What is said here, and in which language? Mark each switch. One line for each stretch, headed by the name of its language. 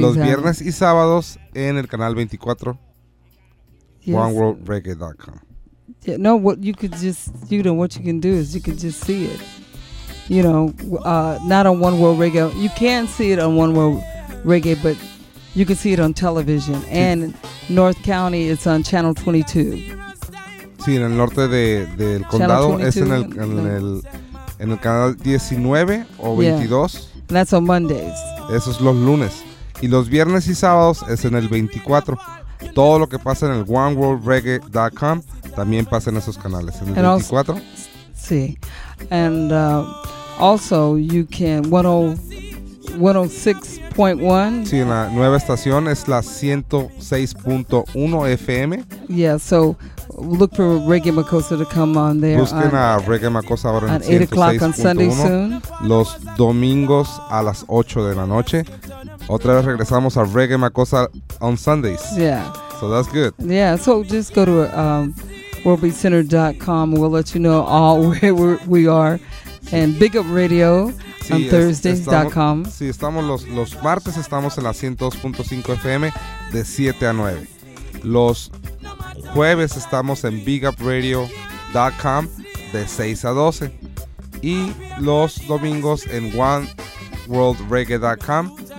Spanish: Los viernes y sábados en el canal 24. Yes.
English: OneWorldReggae.com. Yeah, no, what you could just, you know, what you can do is you can just see it. You know, not on One World Reggae. You can see it on One World Reggae, but you can see it on television. And North County, it's on Channel 22.
Spanish: Sí, en el norte del condado, es en el canal 19 o 22.
English: Yeah. And that's on Mondays.
Spanish: Eso es los lunes. Y los viernes y sábados es en el 24. Todo lo que pasa en el OneWorldReggae.com también pasa en esos canales, en el 24.
English: Also, sí. And also, you can 106.1.
Spanish: Sí, la nueva estación es la 106.1 FM.
English: Yeah, so look for Reggae Makosa to come on there.
Spanish: Busquen
English: on,
Spanish: a Reggae Makosa ahora
English: on
Spanish: en 106.1.
English: On 8 o'clock on Sunday soon.
Spanish: Los domingos a las 8 de la noche. Otra vez regresamos a Reggae Makosa
English: on Sundays. Yeah. So that's good. Yeah, so just go to worldbeatcenter.com. We'll let you know all where we are. And Big Up Radio.
Spanish: Sí,
English: on Thursdays.com.
Spanish: Sí, estamos los martes estamos en la 102.5 FM de 7 a 9. Los jueves estamos en BigUpRadio.com de 6 a 12. Y los domingos en OneWorldReggae.com.